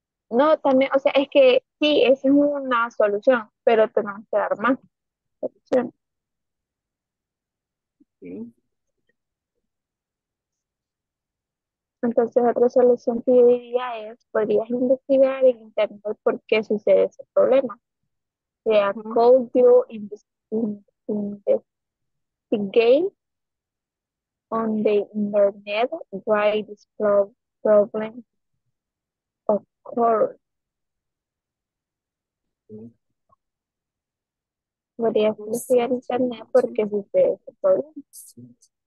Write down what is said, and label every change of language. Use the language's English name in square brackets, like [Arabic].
[Spanish] No, también, o sea, es que sí, esa es una solución, pero tenemos que dar más soluciones. Entonces, otra solución que yo diría es, podrías investigar en internet por qué sucede ese problema. [English] Sea, call you investigate on the internet why this problem occurred. [Spanish] Podría investigar en internet porque sucede ese problema.